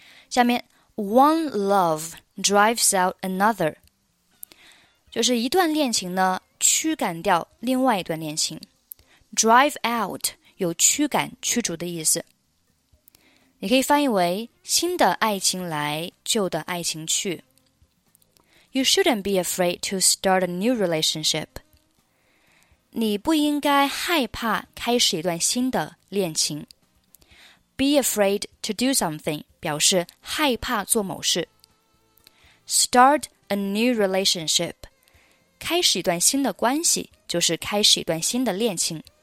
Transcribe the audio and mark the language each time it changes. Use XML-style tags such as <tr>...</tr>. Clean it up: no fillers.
<zh>下面 ,</zh> <en>one love drives out another,</en> <zh>就是一段恋情呢驱赶掉另外一段恋情。 Drive out 有驱赶驱逐的意思。你可以翻译为新的爱情来旧的爱情去。</zh> <en>You shouldn't be afraid to start a new relationship.</en> <zh>你不应该害怕开始一段新的恋情。</zh> <en>Be afraid to do something</en> <zh>表示害怕做某事。</zh> <en>Start a new relationship.</en> <zh>开始一段新的关系就是开始一段新的恋情。</zh>